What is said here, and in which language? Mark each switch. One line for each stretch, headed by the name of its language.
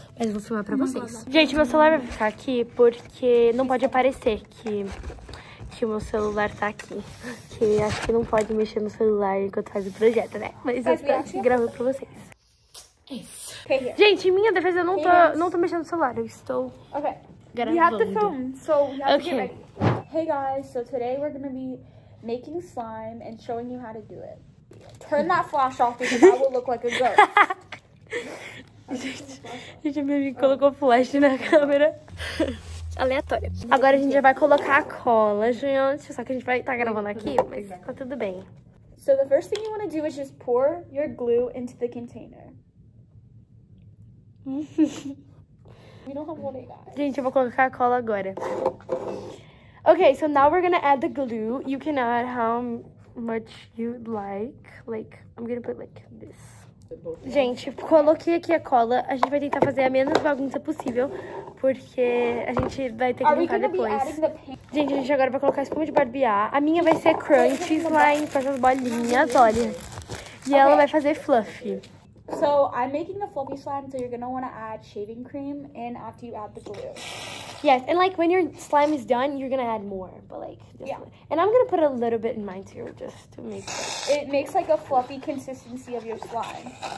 Portuguese: Mas eu vou filmar pra vocês. Gente, meu celular vai ficar aqui porque não pode aparecer que meu celular tá aqui. Que acho que não pode mexer no celular enquanto faz o projeto, né? Mas eu estou aqui gravando pra vocês. Isso. Gente, em minha defesa, eu não tô mexendo no celular. Eu estou... Ok.
English: We have the phone, so we have to get ready. Hey guys, so today we're gonna be making slime and showing you how to do it. Turn that flash off because that will look like a ghost.
Portuguese: Gente, minha amiga colocou flash na câmera. Aleatório. Agora a gente já vai colocar a cola, gente. Só que a gente vai estar gravando aqui, mas tá tudo bem.
English: So the first thing you want to do is just pour your glue into the container. We don't have one egg.
Portuguese: Gente, eu vou colocar a cola agora.
English: Okay, so now we're gonna add the glue. You can add how much you like. Like, I'm gonna put like this.
Portuguese: Gente, coloquei aqui a cola. A gente vai tentar fazer a menos bagunça possível, porque a gente vai ter que limpar depois. Gente, a gente agora vai colocar a espuma de barbear. A minha vai ser crunchy slime com essas bolinhas, olha. E ela vai fazer fluffy.
English: So, I'm making the fluffy slime, so you're gonna wanna add shaving cream in after you add the glue. Yes, and like when your slime is done, you're gonna add more, but like, just yeah. And I'm gonna put a little bit in mine too, just to make it. It makes like a fluffy consistency of your slime.